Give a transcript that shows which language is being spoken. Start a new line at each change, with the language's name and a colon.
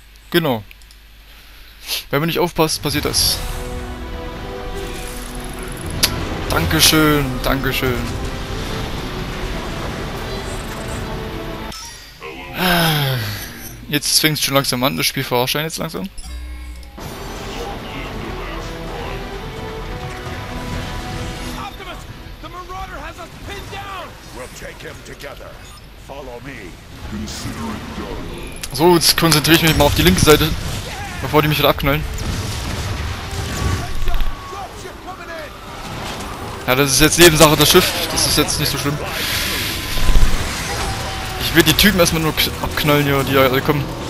German: Genau. Wenn man nicht aufpasst, passiert das. Dankeschön, Dankeschön. Jetzt fängt es schon langsam an, das Spiel verarscht jetzt langsam.
English: Optimus, the Marauder has us pinned down. We'll take him together. Follow me.
German: So, jetzt konzentriere ich mich mal auf die linke Seite, bevor die mich wieder abknallen. Ja, das ist jetzt Nebensache das Schiff. Das ist jetzt nicht so schlimm. Ich will die Typen erstmal nur abknallen hier, die alle kommen.